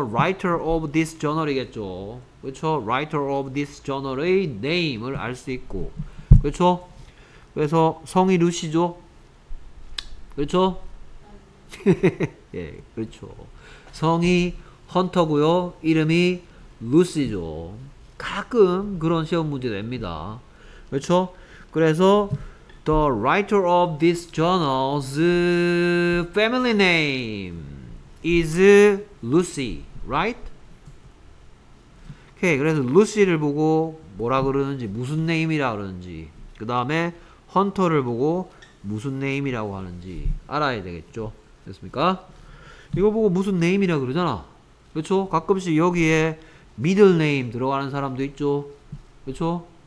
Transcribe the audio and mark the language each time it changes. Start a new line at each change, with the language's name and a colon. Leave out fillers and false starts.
English: Writer of this journal이겠죠.
Korean: 그쵸?
English: Writer of this journal의 name을
Korean: 알 수 있고 그쵸? 그래서 성이 루시죠? 그렇죠? 예, 그렇죠. 성이 헌터고요. 이름이 루시죠. 가끔 그런 시험 문제 냅니다. 그렇죠? 그래서
English: the writer of this journal's family name is Lucy, right?
Korean: 오케이. 그래서 루시를 보고 뭐라 그러는지 무슨 네임이라 그러는지 그 다음에 헌터를 보고 무슨 네임이라고 하는지 알아야 되겠죠. 됐습니까? 이거 보고 무슨 네임이라 그러잖아. 그렇죠? 가끔씩 여기에 미들 네임 들어가는 사람도 있죠. 그렇죠?